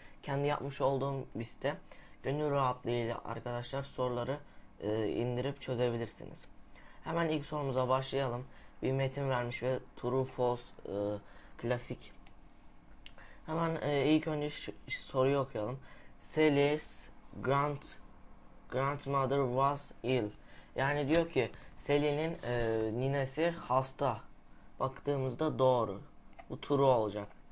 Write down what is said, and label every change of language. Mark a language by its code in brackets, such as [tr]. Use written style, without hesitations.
[tr] Kendi yapmış olduğum bir site. Gönül rahatlığıyla arkadaşlar soruları indirip çözebilirsiniz. Hemen ilk sorumuza başlayalım. Bir metin vermiş ve true false klasik. Hemen ilk önce soruyu okuyalım. [en] Sally's grandmother was ill. [tr] Yani diyor ki Sally'nin ninesi hasta. Baktığımızda doğru. Bu true olacak.